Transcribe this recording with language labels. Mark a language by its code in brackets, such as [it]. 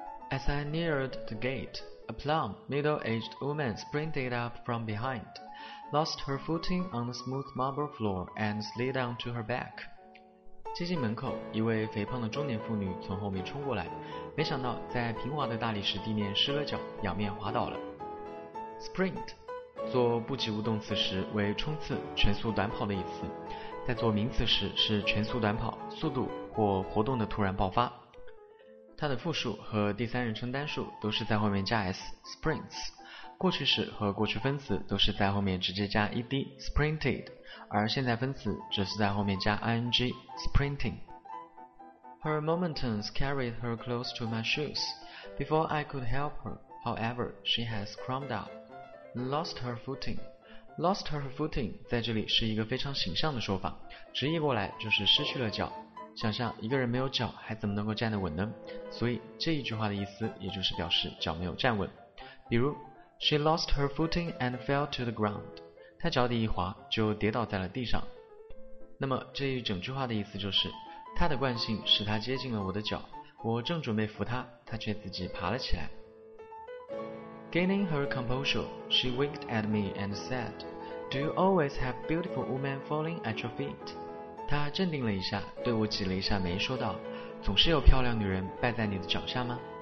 [en] As I neared the gate, a plump, middle-aged woman sprinted up from behind, lost her footing on the smooth marble floor and slid onto her back. [zh] 接近门口，一位肥胖的中年妇女从后面冲过来，没想到在平滑的大理石地面失了脚，仰面滑倒了。 Sprint 做不及物动词时为冲刺、全速短跑的意思，在做名词时是全速短跑、速度或活动的突然爆发。它的复数和第三人称单数都是在后面加 s, sprints。过去时和过去分词都是在后面直接加 ed, sprinted。而现在分词只是在后面加 ing, sprinting。 [en] Her momentum carried her close to my shoes. Before I could help her, however, she had scrambled up, lost her footing. [zh] Lost her footing 在这里是一个非常形象的说法，直译过来就是失去了脚。想象一个人没有脚还怎么能够站得稳呢？所以这一句话的意思也就是表示脚没有站稳。 [en] 比如 She lost her footing and fell to the ground. [zh] 她脚底一滑就跌倒在了地上。那么这一整句话的意思就是，她的惯性使她接近了我的脚，我正准备扶她，她却自己爬了起来。 [en] Gaining her composure, she winked at me and said, Do you always have beautiful women falling at your feet? [zh] 她镇定了一下，对我挤了一下眉，说道，总是有漂亮女人败在你的脚下吗？